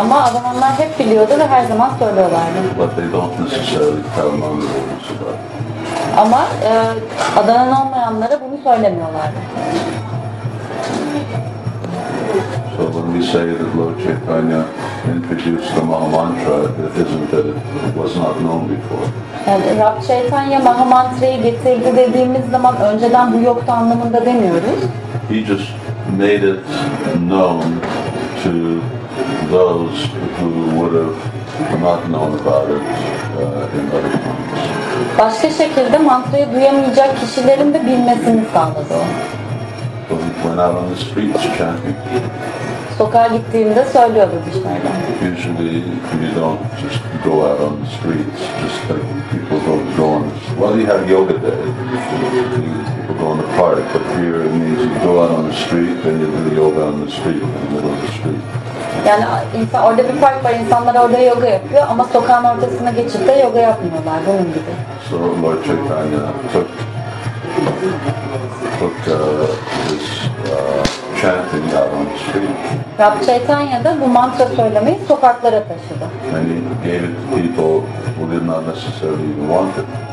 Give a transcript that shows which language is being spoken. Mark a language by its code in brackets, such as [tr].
[tr] Ama adamlar hep biliyordu ve her zaman söylüyorlardı. [en] But they don't necessarily tell non devotees about. [tr] Ama adanan olmayanlara bunu söylemiyorlardı. [en] So when we say that Lord Chaitanya introduced the Maha Mantra, it isn't that it was not known before. [tr] Yani Rab Chaitanya Maha Mantra'yı getirdi dediğimiz zaman önceden bu yoktu anlamında demiyoruz. [en] He just made it known to those who would have not known about it in other times. [tr] Başka şekilde mantrayı duyamayacak kişilerin de bilmesini sağladı. [en] Went out on the streets chanting. [tr] Sokağa gittiğimde söylüyordu dışarıda. [en] Usually you don't just go out on the streets, just like people don't go on. Well, you have yoga day, people go in the park, but here it means you go out on the street, then you do the yoga on the street, in the middle of the street. [tr] Yani insan, orada bir park var, insanlar orada yoga yapıyor ama sokağın ortasına geçip de yoga yapmıyorlar, bunun gibi. [en] So Lord Chaitanya took this chanting out on the street. [tr] Rab Chaitanya da bu mantra söylemeyi sokaklara taşıdı. [en] And he gave it to people who did not necessarily even want it.